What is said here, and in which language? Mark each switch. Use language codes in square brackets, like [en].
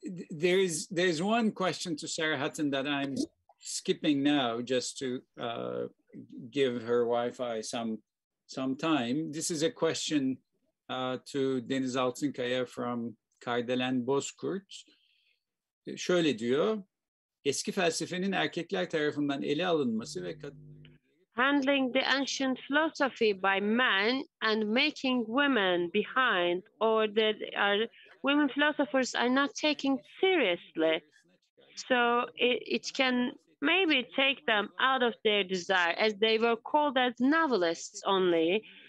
[en] There's one question to Sarah Hutton that I'm skipping now just to give her Wi-Fi some time. This is a question to Deniz Altınkaya from Kardelen Bozkurt. [tr] Şöyle diyor, eski felsefenin erkekler tarafından ele alınması ve [en] handling the ancient philosophy by men and making women behind, or that are women philosophers are not taking seriously. So it can maybe take them out of their desire, as they were called as novelists only.